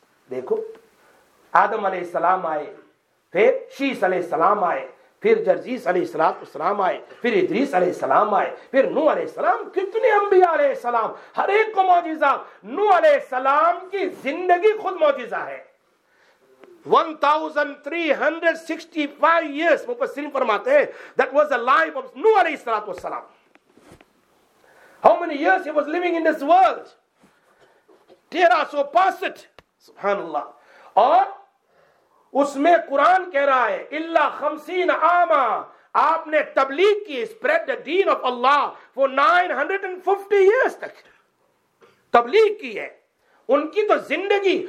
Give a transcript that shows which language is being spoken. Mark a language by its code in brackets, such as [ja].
[ur] دیکھو آدم علیہ السلام آئے، پھر شیس علیہ السلام آئے، پھر جرجیس علیہ السلام آئے، پھر ادریس علیہ السلام آئے، پھر نوح علیہ السلام، کتنے انبیاء علیہ السلام، ہر ایک کو معجزہ. نوح علیہ السلام کی زندگی خود معجزہ ہے. [en] 1365 years [ur] مفسرین فرماتے ہیں [en] that was the life of Nuh علیہ السلام. How many years he was living in this world? [ur] 1365. سبحان اللہ. اور اس میں قرآن کہہ رہا ہے الا 50 عاما، آپ نے تبلیغ کی، [en] spread the دین of Allah for [ur] 950 years تک تبلیغ کی ہے ان کی تو زندگی.